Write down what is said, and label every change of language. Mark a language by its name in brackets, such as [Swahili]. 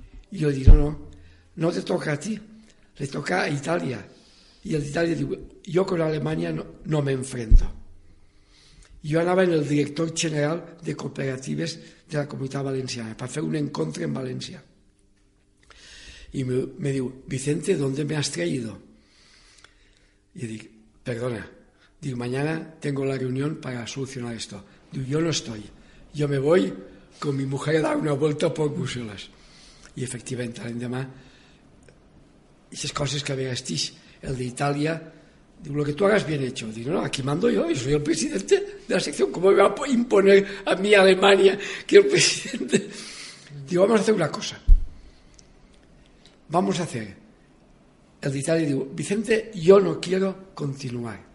[Catalan] I jo dic, no te toca a ti, le toca a Itàlia. I el d'Itàlia diu, jo con Alemanya no m'enfrento. Jo anava en el director general de cooperatives de la Comunitat Valenciana per fer un encontre en València. I me diu, Vicente, [Spanish] ¿dónde me has traído? [Catalan] I dic, perdona. [Spanish] Dic, mañana tengo la reunión para solucionar esto. Diu, yo no estoy. Yo me voy con mi mujer a dar una vuelta por Bruselas. [Catalan] I efectivament, l'endemà, aquestes coses que a vegades el d'Itàlia [Spanish] Digo, lo que tú hagas bien hecho. Digo, no, aquí mando yo, yo soy el presidente de la sección. ¿Cómo me va a imponer a mí Alemania que el presidente? Digo, vamos a hacer una cosa. Vamos a hacer. El de Italia, digo, Vicente, yo no quiero continuar.